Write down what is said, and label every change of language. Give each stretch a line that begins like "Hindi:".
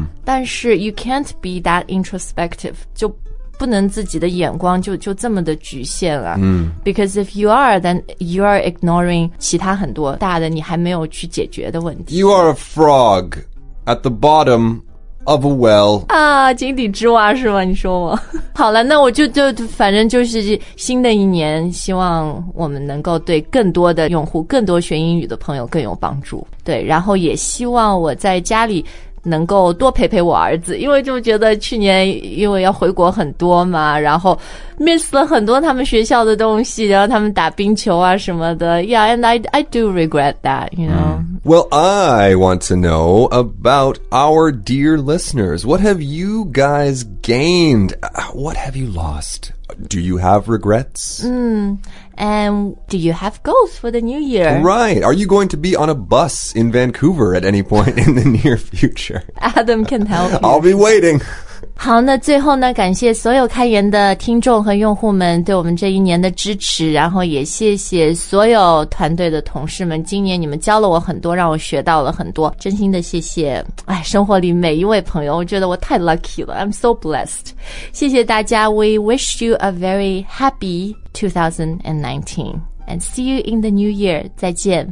Chinese: 但是
English: you can't be that introspective.
Chinese: 就不能自己的眼光就这么的局限了、
English: Because if you are, then you are ignoring
Chinese: 其他很多大的你还没有去解决的问题。
English: You are a frog at the bottom of a well.
Chinese: 啊，井底之蛙是吗？你说我。好了，那我就反正就是新的一年，希望我们能够对更多的用户、更多学英语的朋友更有帮助。对，然后也希望我在家里能够多陪陪我儿子，因为就觉得去年因为要回国很多嘛，然后 miss 了很多他们学校的东西，然后他们打冰球啊什么的。
English: Yeah, and I do regret that, you know. Well, I want to know about our dear listeners. What have you guys gained? What have you lost? Do you have regrets? And do you have goals for the new year? Right. Are you going to be on a bus in Vancouver at any point in the near future? Adam can help you. I'll be waiting.
Chinese: 好，那最后呢，感谢所有开言的听众和用户们对我们这一年的支持，然后也谢谢所有团队的同事们，今年你们教了我很多，让我学到了很多，真心的谢谢。哎，生活里每一位朋友，我觉得我太 lucky 了，
English: I'm so blessed.
Chinese: 谢谢大家，
English: We wish you a very happy 2019 and see you in the new year.
Chinese: 再见，